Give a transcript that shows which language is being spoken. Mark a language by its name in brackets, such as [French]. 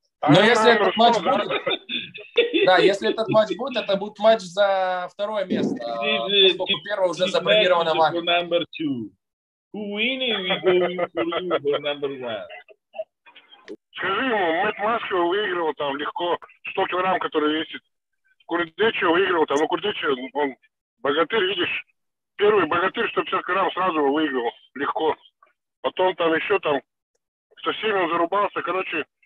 [Russian] Но если этот матч будет, да, если этот матч будет, это будет матч за второе место, поскольку первое уже забронировано матч. [English] For number two. Who winning, we go for you for number one. [Russian] Скажи ему, Мэтт Маскио выигрывал там легко 100 килограмм, который весит. Курдечио выигрывал там, но Курдечио, он богатырь, видишь, первый богатырь 150 килограмм сразу выиграл легко. Потом там еще там со всеми он зарубался, короче.